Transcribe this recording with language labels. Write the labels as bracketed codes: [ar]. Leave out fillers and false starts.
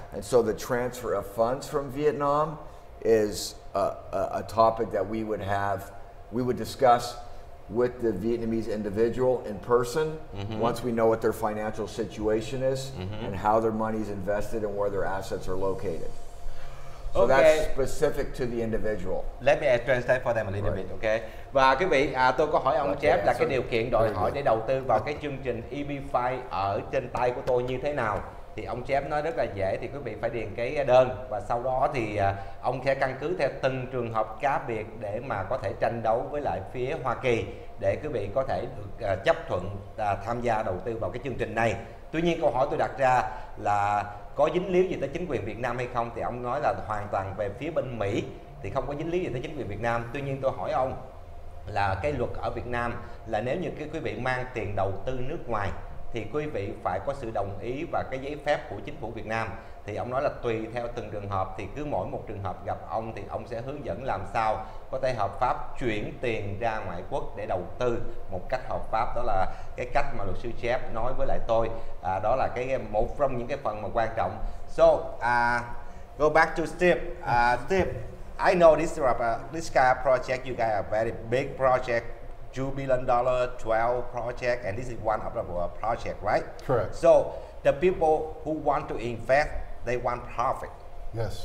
[en] And so the transfer of funds from Vietnam is a topic that we would discuss with the Vietnamese individual in person, mm-hmm. once we know what their financial situation is, mm-hmm. and how their money is invested and where their assets are located. So okay. That's specific to the individual. Let me translate for them a little bit, okay? [vi] Và quý vị, tôi có hỏi ông Jeff là cái điều kiện đòi hỏi để đầu tư vào cái chương trình EB5 ở trên tay của tôi như thế nào? Thì ông Jeff nói rất là dễ, thì quý vị phải điền cái đơn và sau đó thì ông sẽ căn cứ theo từng trường hợp cá biệt để mà có thể tranh đấu với lại phía Hoa Kỳ để quý vị có thể được chấp thuận tham gia đầu tư vào cái chương trình này. Tuy nhiên câu hỏi tôi đặt ra là có dính líu gì tới chính quyền Việt Nam hay không, thì ông nói là hoàn toàn về phía bên Mỹ thì không có dính líu gì tới chính quyền Việt Nam. Tuy nhiên tôi hỏi ông là cái luật ở Việt Nam là nếu như quý vị mang tiền đầu tư nước ngoài thì quý vị phải có sự đồng ý và cái giấy phép của chính phủ Việt Nam. Thì ông nói là tùy theo từng trường hợp, thì cứ mỗi một trường hợp gặp ông thì ông sẽ hướng dẫn làm sao có thể hợp pháp chuyển tiền ra ngoại quốc để đầu tư một cách hợp pháp. Đó là cái cách mà luật sư Jeff nói với lại tôi. Đó là cái một trong những cái phần mà quan trọng. [en] So go back to Steve. Steve, I know this kind of project, you guys are very big project, $2 billion, 12 project, and this is one of our project, right? Correct. So the people who want to invest, they want profit. Yes.